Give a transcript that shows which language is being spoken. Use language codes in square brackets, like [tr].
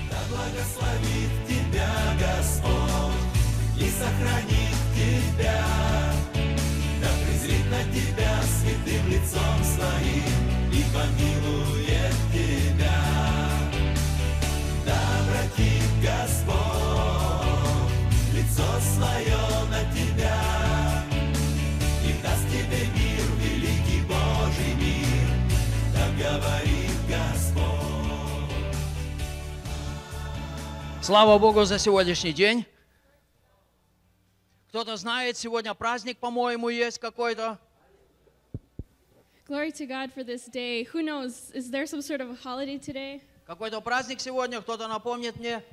[ru] Благословит тебя Господь и сохранит тебя, да презрит на тебя святым лицом своим и помилует тебя, да обратит Господь лицо свое на тебя и даст тебе мир, великий Божий мир, так говорит Господь. Слава Богу за сегодняшний день. Кто-то знает, сегодня праздник, по-моему, есть какой-то. [en] Glory to God for this day. Who knows, is there some sort of a holiday today? [ru] Какой-то праздник сегодня, кто-то напомнит мне.